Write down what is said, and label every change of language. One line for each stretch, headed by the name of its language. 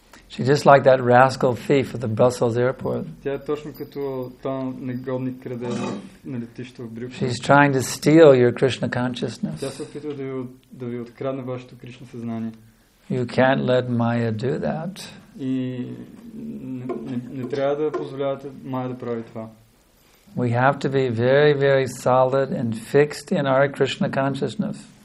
English: She just like that rascal thief at the Brussels airport.
Bulgarian: Тя е точно като там негодник крадец на летището в Брюксел.
English: She's trying to steal your Krishna consciousness.
Bulgarian: Тя се опитва да ви открадне вашето Кришна съзнание.
English: You can't let Maya do that.
Bulgarian: И не трябва да позволявате Майя да прави това.
English: We have to be very, very solid and fixed in our Krishna consciousness.